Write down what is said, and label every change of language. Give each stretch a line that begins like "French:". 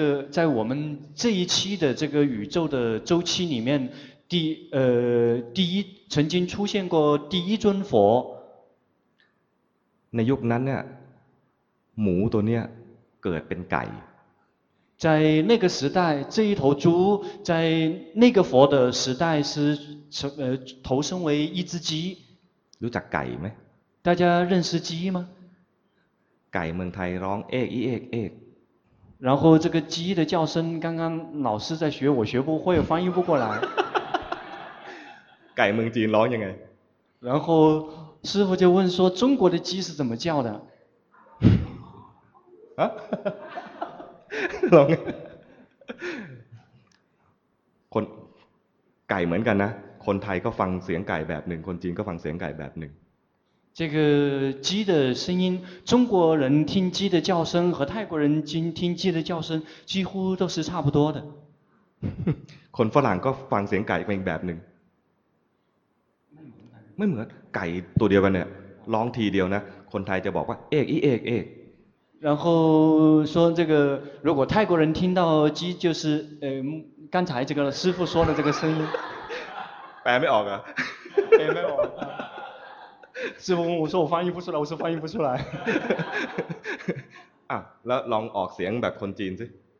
Chinese: 在我们这一期的这个宇宙的周期里面第一曾经出现过第一尊佛
Thai: ในยุคนั้นเนี่ยหมูตัวเนี้ยเกิดเป็นไก่
Chinese: 在那个时代这一头猪在那个佛的时代是投生为一只鸡
Thai: รู้จักไก่ไหม
Chinese: 大家认识鸡吗
Thai: ไก่เมืองไทยร้องเอ๊กอีเอ๊กเอ๊ก
Chinese: 然后这个鸡的叫声刚刚老师在学我学不会翻译不过来
Thai: ไก่เมืองจีนร้องยังไง
Chinese: 然后师父就问说中国的鸡是怎么叫的
Thai: ร้องคนไก่เหมือนกันนะคนไทยก็ฟังเสียงไก่แบบหนึ่งคนจีนก็ฟังเสียงไก่แบบหนึ่ง
Chinese: 这个鸡的声音中国人听鸡的叫声和泰国人听鸡的叫声几乎都是差不多的
Thai: คนฝรั่งก็ฟังเสียงไก่เป็นแบบหนึ่งไม่เหมือนไก่ตัวเดียวกันเนี่ยร้องทีเดียวนะคนไทยจะบอกว่าเอกอีเอกเอก
Chinese: 然后说这个，如果泰国人听到鸡，就是刚才这个师父说的这个声音。还没熬啊？还没熬。师父问我说：“我翻译不出来。”我说：“翻译不出来。 ”啊，那让熬谁明白困境子？